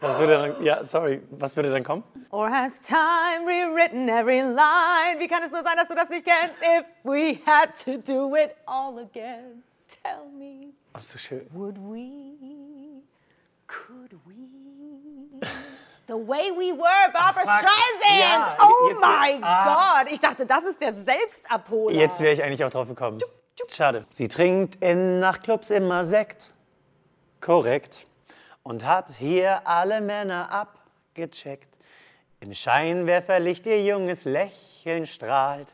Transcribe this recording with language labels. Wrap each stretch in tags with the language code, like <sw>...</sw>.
<de>Was würde dann, ja, sorry, was würde dann kommen?</de> <en>Or has time rewritten every line?</en> <de>Wie kann es nur sein, dass du das nicht kennst?</de> <en>If we had to do it all again, tell me.</en> <de>Ach so schön.</de> <en>Would we, could we, the way we were, Barbara Streisand.</en> <de>Ja,</de> <en>oh my God.</en> <de>Ich dachte, das ist der Selbstabholer. Jetzt wäre ich eigentlich auch drauf gekommen. Schade. Sie trinkt in Nachtclubs immer Sekt. Korrekt. Und hat hier alle Männer abgecheckt. Im Scheinwerferlicht ihr junges Lächeln strahlt.</de>